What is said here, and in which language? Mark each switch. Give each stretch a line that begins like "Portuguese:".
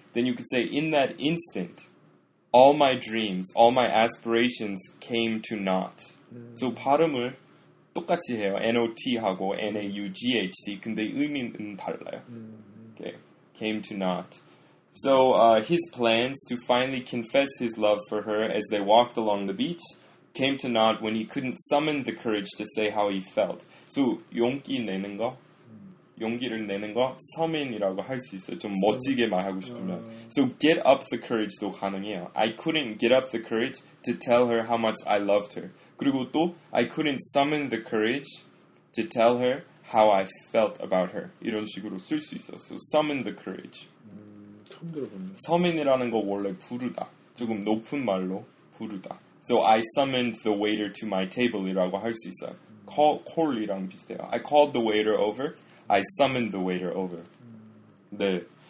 English: Then you could say in that instant all my dreams, all my aspirations came to naught.
Korean: So 발음을 똑같이 해요.
English: N-O-T하고 N-A-U-G-H-D
Korean: 근데 의미는 달라요.
English: Okay. Came to naught. So his plans to finally confess his love for her as they walked along the beach came to naught when he couldn't summon the courage to say how he felt.
Korean: So, 용기 내는 거? 용기를 내는 거? summon이라고 할 수 있어요. 좀 멋지게 말하고 싶으면. So, get up the courage도 가능해요.
English: I couldn't get up the courage to tell her how much I loved her.
Korean: 그리고 또,
English: I couldn't summon the courage to tell her how I felt about her.
Korean: 이런 식으로 쓸 수 있어요.
English: So, summon the courage.
Korean: 처음 들어봤네. summon이라는 거 원래 부르다. 조금 높은 말로 부르다.
English: So I summoned the waiter to my table
Korean: 이라고 할 수 있어요. Call이랑 비슷해요.
English: I called the waiter over. I summoned the waiter over. 네.